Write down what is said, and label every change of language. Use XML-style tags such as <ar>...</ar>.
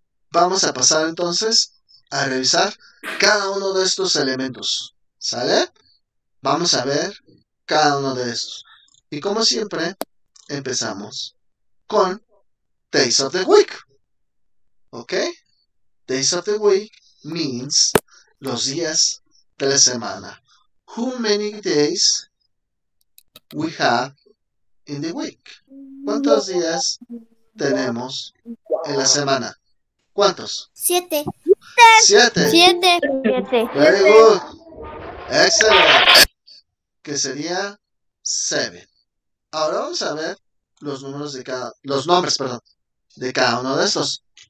<es>Vamos a pasar entonces a revisar cada uno de estos elementos, ¿sale? Vamos a ver cada uno de estos. Y como siempre, empezamos con Days of the Week. ¿Ok?</es> <en>Days of the Week means</en> <es>los días de la semana.</es> <en>How many days we have in the week?</en> <es>¿Cuántos días tenemos en la semana? ¿Cuántos? Siete. Siete. Siete.</es> <en>Very good. Excellent.</en> <es>Que sería</es> <en>seven.</en> <es>Ahora vamos a ver los números de cada, los nombres, perdón, de cada uno de estos.</es>